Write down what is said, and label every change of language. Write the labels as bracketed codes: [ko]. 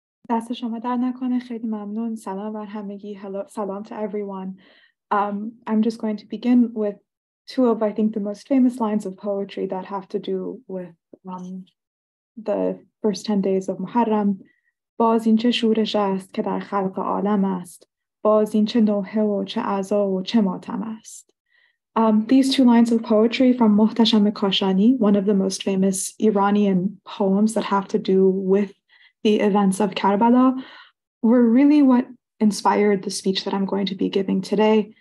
[fa] دست شما در نکنه. خیلی ممنون. سلام بر همگی. [en] سلام to everyone. I'm just going to begin with two of, I think, the most famous lines of poetry that have to do with the first 10 days of Muharram. [fa] باز این چه شورش است که در خلق عالم است. باز این چه نوحه و چه عزا و چه ماتم است. [en] These two lines of poetry from Muhtasham Kashani, one of the most famous Iranian poems that have to do with the events of Karbala, were really what inspired the speech that I'm going to be giving today.